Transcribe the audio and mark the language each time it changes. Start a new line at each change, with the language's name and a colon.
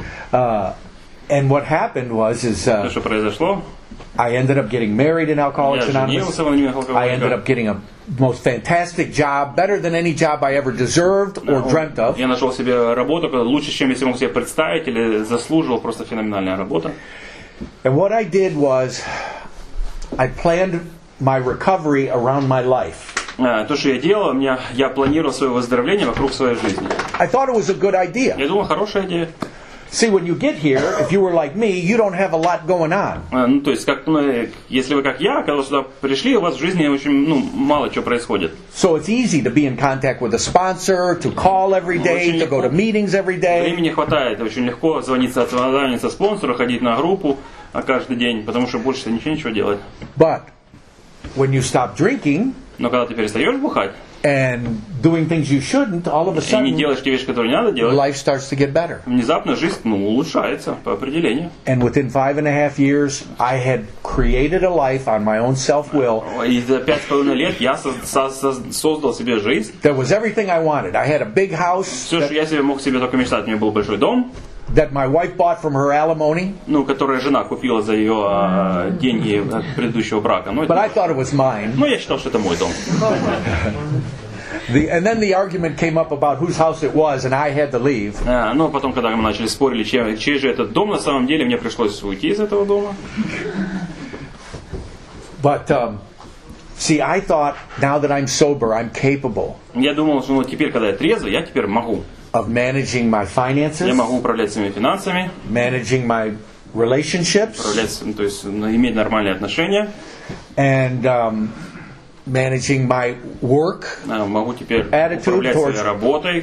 English: And what happened was,
Russian: что произошло?
English: I ended up getting married in Alcoholics Anonymous. I ended up getting a most fantastic job, better than any job I ever deserved or dreamt of.
Russian: Я нашел себе работу, лучше, чем я мог себе представить или заслужил, просто феноменальная работа.
English: And what I did was, I planned my recovery around my life.
Russian: То, что я делал, я планировал свое выздоровление вокруг своей жизни.
English: I thought it was a good idea.
Russian: Я думал, хорошая идея.
English: See, when you get here, if you were like me, you don't have a lot going on.
Russian: Ну, то есть, как, ну, если вы как я, когда сюда пришли, у вас в жизни очень, ну, мало чего происходит.
English: So it's easy to be in contact with a sponsor, to call every day, to go to meetings every day.
Russian: Времени хватает, очень легко звониться спонсору, ходить на группу каждый день, потому что больше ничего нечего делать.
English: But when you stop drinking,
Russian: но когда ты перестаешь бухать,
English: and doing things you shouldn't, all of a sudden,
Russian: и не делаешь те вещи, которые не надо делать,
English: life starts to get better.
Russian: Внезапно жизнь, ну, улучшается по определению.
English: And within 5.5 years, I had created a life on my own self-will.
Russian: И за 5.5 лет я создал себе жизнь.
English: That was everything I wanted. I had a big house.
Russian: Все, что я себе мог себе только мечтать, у меня был большой дом.
English: That my wife bought from her alimony.
Russian: Ну, которую жена купила за ее деньги от предыдущего брака. Ну,
English: but I thought it was mine.
Russian: Ну, я считал, что это мой дом.
English: And then the argument came up about whose house it was, and I had to leave.
Russian: Ну, потом, когда мы начали спорить, чей же этот дом, на самом деле, мне пришлось уйти из этого дома.
English: But see, I thought now that I'm sober, I'm capable.
Russian: Я думал, что теперь, когда я трезвый, я теперь могу.
English: Of managing my finances,
Russian: я могу управлять своими финансами,
English: managing my relationships,
Russian: управлять, то есть иметь нормальные отношения,
English: and managing my work,
Russian: могу теперь управлять своей работой,